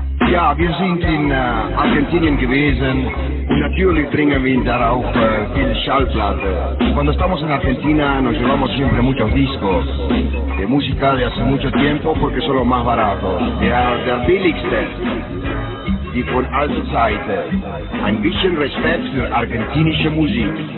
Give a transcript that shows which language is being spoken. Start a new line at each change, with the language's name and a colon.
German: Ja, wir sind in Argentinien gewesen. Natürlich bringen wir darauf viel Schallplatte.
Spanish: Cuando estamos en Argentina, nos llevamos siempre muchos discos de música de hace mucho tiempo, porque son los más baratos.
German: Der billigste, die von alten Zeiten. Ein bisschen Respekt für argentinische Musik.